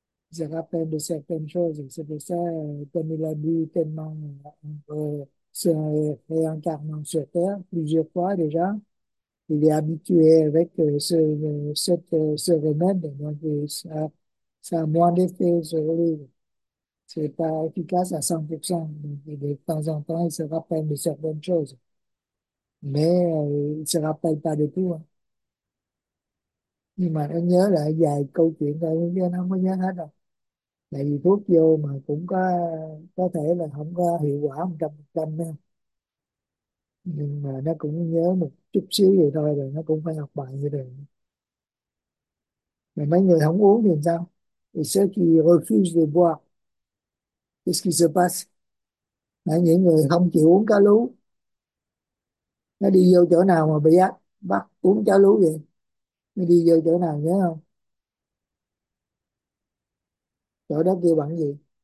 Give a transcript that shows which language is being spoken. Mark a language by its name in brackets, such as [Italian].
[French] Ils se rappellent de certaines choses, et c'est pour ça, comme il a bu tellement, se réincarnant sur Terre plusieurs fois déjà, il est habitué avec ce remède, donc ça a moins d'effet sur lui. Ce n'est pas efficace à 100%. De temps en temps, il se rappelle de certaines choses. Mais il ne se rappelle pas de tout. Hein. [Vietnamese] Nhưng mà nó nhớ là vài câu chuyện rồi, nhưng nó không có nhớ hết đâu. Tại vì thuốc vô mà cũng có thể là không có hiệu quả 100% đâu. Nhưng mà nó cũng nhớ một chút xíu vậy thôi, rồi nó cũng phải học bài như vậy. Mà mấy người không uống thì sao? [French] Et ceux qui refusent de boire, qu'est-ce qui se passe? [Vietnamese] Là những người không chịu uống cá lú, nó đi vô chỗ nào mà bị á, bắt uống cá lú vậy? Nó đi vô chỗ nào nhớ không? Chỗ đó kêu bằng gì?